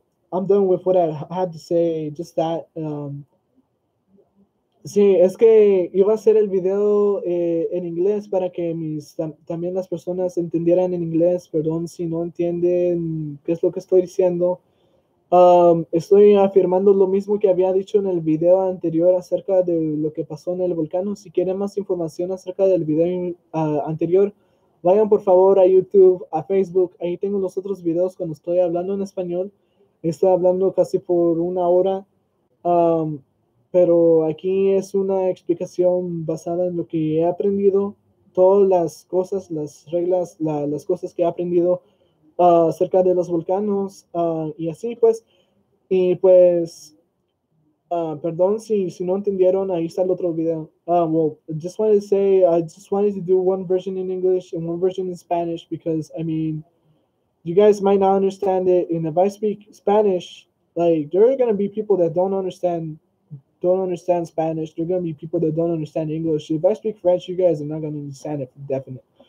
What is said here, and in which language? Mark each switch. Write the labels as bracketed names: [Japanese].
[English] I'm done with what I had to say, just that. [Spanish] Sí, es que iba a hacer el video en inglés para que también las personas entendieran en inglés, perdón si no entienden qué es lo que estoy diciendo. Estoy afirmando lo mismo que había dicho en el video anterior acerca de lo que pasó en el volcán. Si quieren más información acerca del video anterior, vayan por favor a YouTube, a Facebook, ahí tengo los otros videos cuando estoy hablando en español. Estoy hablando casi por una hora, pero aquí es una explicación basada en lo que he aprendido, todas las cosas, las reglas, las cosas que he aprendido acerca de los volcanos, y así pues. Y pues, perdón si no entendieron, ahí está el otro video. [English] I just wanted to do one version in English and one version in Spanish because, I mean, you guys might not understand it. And if I speak Spanish, like, there are going to be people that don't understand Spanish. There are going to be people that don't understand English. If I speak French, you guys are not going to understand it for definite.